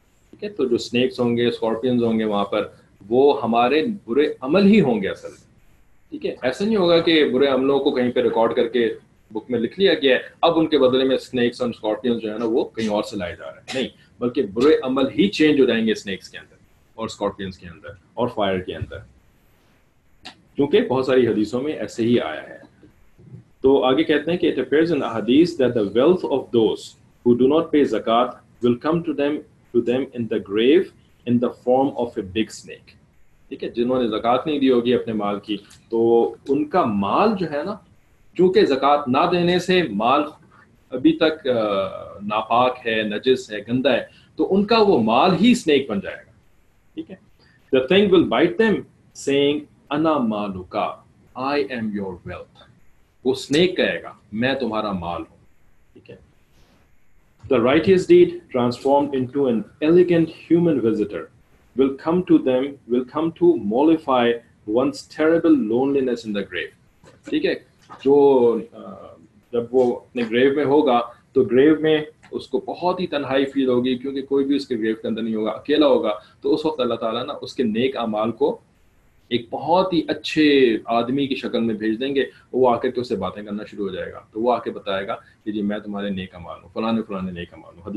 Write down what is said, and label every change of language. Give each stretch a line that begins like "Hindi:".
Urdu: ٹھیک ہے، تو جو سنیکس ہوں گے، اسکارپینس ہوں گے وہاں پر، وہ ہمارے برے عمل ہی ہوں گے اصل میں. ٹھیک ہے، ایسا نہیں ہوگا کہ برے عملوں کو کہیں پہ ریکارڈ کر کے بک میں لکھ لیا گیا ہے, اب ان کے بدلے میں سنیکس اور سکارپینز جو ہے نا وہ کہیں اور سے لائے جا رہے ہیں, نہیں بلکہ برے عمل ہی چینج ہو جائیں گے سنیکس کے اندر اور سکارپینز کے اندر اور فائر کے اندر, کیونکہ بہت ساری حدیثوں میں ایسے ہی آیا ہے. تو آگے کہتے ہیں کہ
English: it appears in hadith that the wealth of those who do not pay zakat will come to them in the grave in the form of a big snake.
Urdu: ٹھیک ہے, جنہوں نے زکوٰۃ نہیں دی ہوگی اپنے مال کی تو ان کا مال جو ہے نا, چونکہ زکوٰۃ نہ دینے سے مال ابھی تک ناپاک ہے, نجس ہے, گندا ہے, تو ان کا وہ مال ہی سنیک بن جائے گا. ٹھیک ہے,
English: the thing will bite them saying
Arabic: انا مالک
English: I am your wealth.
Urdu: وہ سنیک کہے گا میں تمہارا مال ہوں. ٹھیک ہے,
English: the righteous deed transformed into an elegant human visitor will come to mollify one's terrible loneliness in the grave.
Urdu: ٹھیک ہے, جو جب وہ اپنے گریو میں ہوگا تو گریو میں اس کو بہت ہی تنہائی فیل ہوگی کیونکہ کوئی بھی اس کے گریو کے اندر نہیں ہوگا, اکیلا ہوگا, تو اس وقت اللہ تعالیٰ نا اس کے نیک اعمال کو ایک بہت ہی اچھے آدمی کی شکل میں بھیج دیں گے, وہ آ کر کے اسے باتیں کرنا شروع ہو جائے گا, تو وہ آ کے بتائے گا کہ جی میں تمہارے نیک اعمال ہوں, فلاں فلاں نیک اعمال ہوں.